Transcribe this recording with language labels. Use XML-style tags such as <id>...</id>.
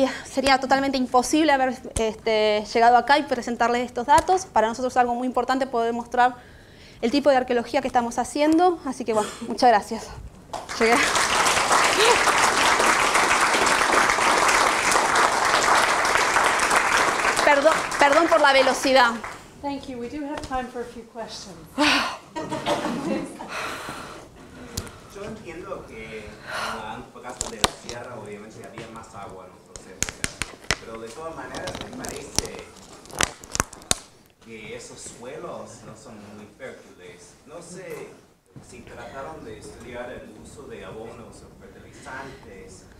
<es>Sería totalmente imposible haber llegado acá y presentarles estos datos. Para nosotros es algo muy importante poder mostrar el tipo de arqueología que estamos haciendo. Así que, bueno, muchas gracias. Llegué. Perdón por la velocidad.</es> <en>Thank you. We do have time for a few questions.</en> <es>Yo entiendo que en el caso de la sierra, obviamente había más agua en nuestros centros. Pero de todas maneras, me parece que esos suelos no son muy fértiles. No sé si trataron de estudiar el uso de abonos o fertilizantes.</es>